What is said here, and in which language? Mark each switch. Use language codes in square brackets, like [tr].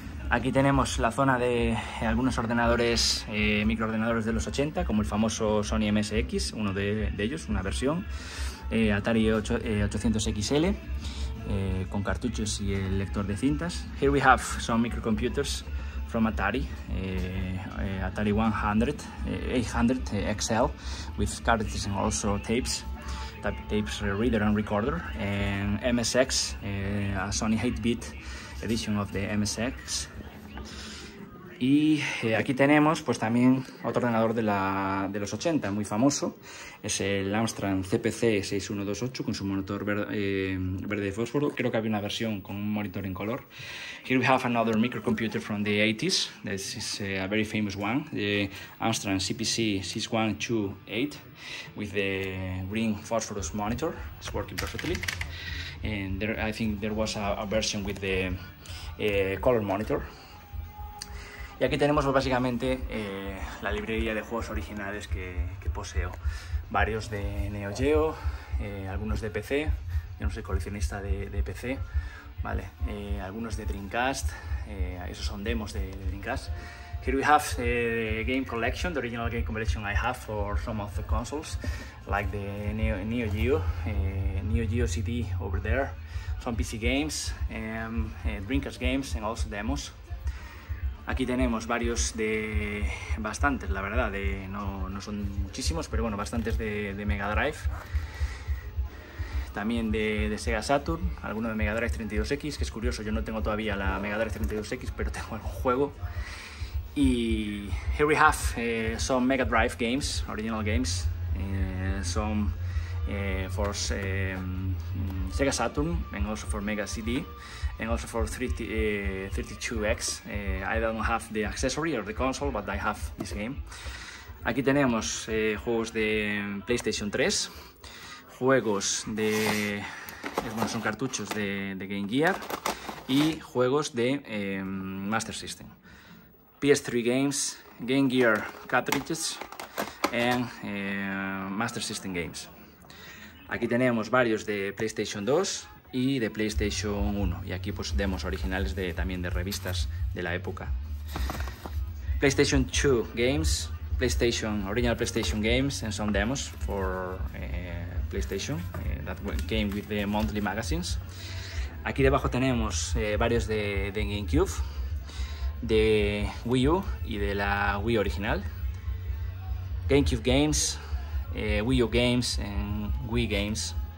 [es] Aquí tenemos la zona de algunos ordenadores, microordenadores de los 80, como el famoso Sony MSX, uno de ellos, una versión, Atari 800XL. Con cartuchos y el lector de cintas. [en] Here we have some microcomputers from Atari, Atari 100, 800 XL, with cartridges and also tapes, tapes reader and recorder, and MSX, a Sony 8-bit edition of the MSX. [es] Y aquí tenemos pues también otro ordenador de los 80, muy famoso, es el Amstrad CPC 6128 con su monitor verde de fósforo. Creo que había una versión con un monitor en color. [en] Here we have another microcomputer from the 80s, this is a very famous one, the Amstrad CPC 6128 with the green phosphorus monitor, it's working perfectly. And there, I think there was a version with the color monitor. [es] Y aquí tenemos pues, básicamente la librería de juegos originales que poseo. Varios de Neo Geo, algunos de PC, yo no soy coleccionista de PC, vale, algunos de Dreamcast, esos son demos de Dreamcast. [en] Here we have the game collection, the original game collection I have for some of the consoles, like the Neo Geo, Neo Geo CD over there, some PC games, Dreamcast games and also demos. [es] Aquí tenemos varios de bastantes, la verdad, de, no son muchísimos, pero bueno, bastantes de Mega Drive. También de Sega Saturn, alguno de Mega Drive 32X, que es curioso, yo no tengo todavía la Mega Drive 32X, pero tengo algún juego. [en] Y here we have some Mega Drive games, original games, some for Sega Saturn, and also for Mega CD, and also for 32X. I don't have the accessory or the console, but I have this game. [es] Aquí tenemos juegos de PlayStation 3, juegos de... bueno, son cartuchos de Game Gear, y juegos de Master System. [en] PS3 games, Game Gear cartridges, and Master System games. [es] Aquí tenemos varios de PlayStation 2 y de PlayStation 1. Y aquí pues demos originales de, también de revistas de la época. [en] PlayStation 2 games, PlayStation original PlayStation games, and some demos for PlayStation that came with the monthly magazines. [es] Aquí debajo tenemos varios de GameCube, de Wii U y de la Wii original. [en] GameCube games, Wii U games, and Wii games.